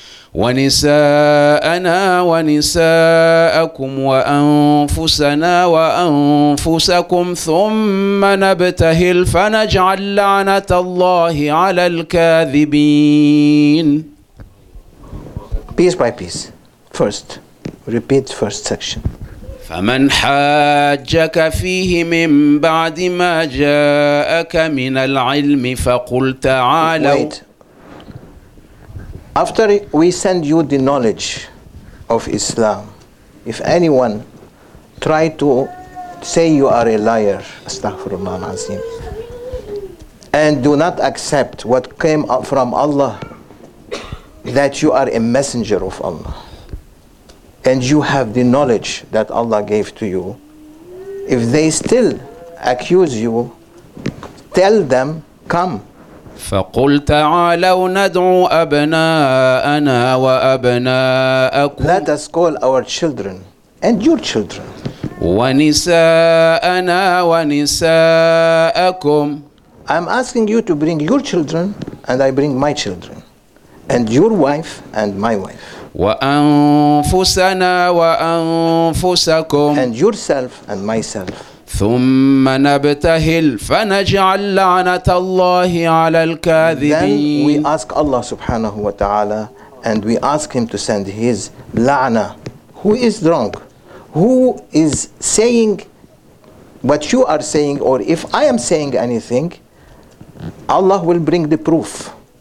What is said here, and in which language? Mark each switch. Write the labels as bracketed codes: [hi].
[ar] ونساءنا ونساءكم وأنفسنا وأنفسكم ثم نبتهل فنجعل لعنة الله على الكاذبين. [en] Piece by piece. First, repeat first section. [ar] فمن حاجك فيه من بعد ما جاءك من العلم فقل تعالوا. [en] Wait. After we send you the knowledge of Islam, if anyone try to say you are a liar, astaghfirullah al-azim, and do not accept what came up from Allah, that you are a messenger of Allah, and you have the knowledge that Allah gave to you, if they still accuse you, tell them, come. [ar] فَقُلْ تَعَالَوْ نَدْعُ أَبْنَاءَنَا وَأَبْنَاءَكُمْ. [en] Let us call our children and your children. [ar] وَنِسَاءَنَا وَنِسَاءَكُمْ. [en] I'm asking you to bring your children and I bring my children. And your wife and my wife. [ar] وَأَنفُسَنَا وَأَنفُسَكُمْ. [en] And yourself and myself. [ar] ثم نبتهل فنجعل لعنة الله على الكاذبين. [en] Then we ask Allah سبحانه وتعالى and we ask him to send his la'na. Who is wrong? Who is saying what you are saying? Or if I am saying anything, Allah will bring the proof.